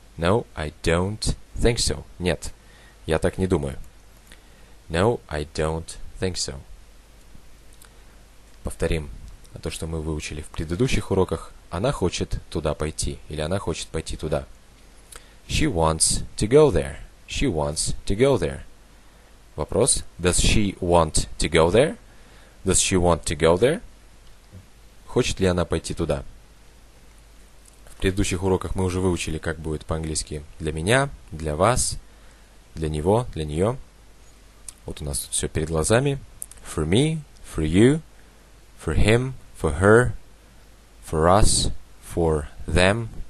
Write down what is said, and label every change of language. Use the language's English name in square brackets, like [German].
[English] No, I don't think so. [Russian] Нет, я так не думаю. [English] No, I don't think so. [Russian] Повторим то, что мы выучили в предыдущих уроках. Она хочет туда пойти. Или она хочет пойти туда. [English] She wants to go there. She wants to go there. Вопрос. Does she want to go there? Does she want to go there? [Russian] Хочет ли она пойти туда? В предыдущих уроках мы уже выучили, как будет по-английски для меня, для вас, для него, для нее. Вот у нас тут все перед глазами. [English] For me, for you, for him, for her, for us, for them.